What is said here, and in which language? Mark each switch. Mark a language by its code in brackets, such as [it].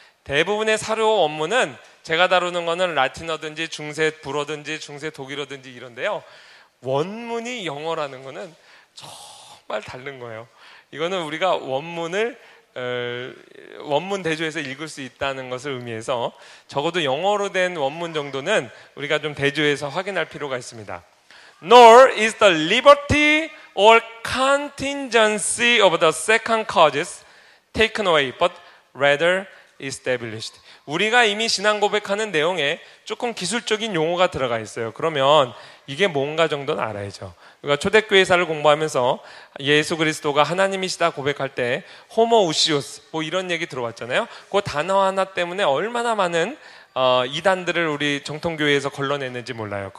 [ko] 대부분의 사료 원문은 제가 다루는 거는 라틴어든지 중세 불어든지 중세 독일어든지 이런데요. 원문이 영어라는 거는 정말 다른 거예요. 이거는 우리가 원문을 원문 대조해서 읽을 수 있다는 것을 의미해서 적어도 영어로 된 원문 정도는 우리가 좀 대조해서 확인할 필요가 있습니다. [en] Nor is the liberty or contingency of the second causes taken away, but rather established. [ko] 우리가 이미 신앙 고백하는 내용에 조금 기술적인 용어가 들어가 있어요. 그러면 이게 뭔가 정도는 알아야죠. 그러니까 초대교회사를 공부하면서 예수 그리스도가 하나님이시다 고백할 때 호모 우시우스 뭐 이런 얘기 들어왔잖아요. 그 단어 하나 때문에 얼마나 많은 이단들을 우리 정통교회에서 걸러냈는지 몰라요.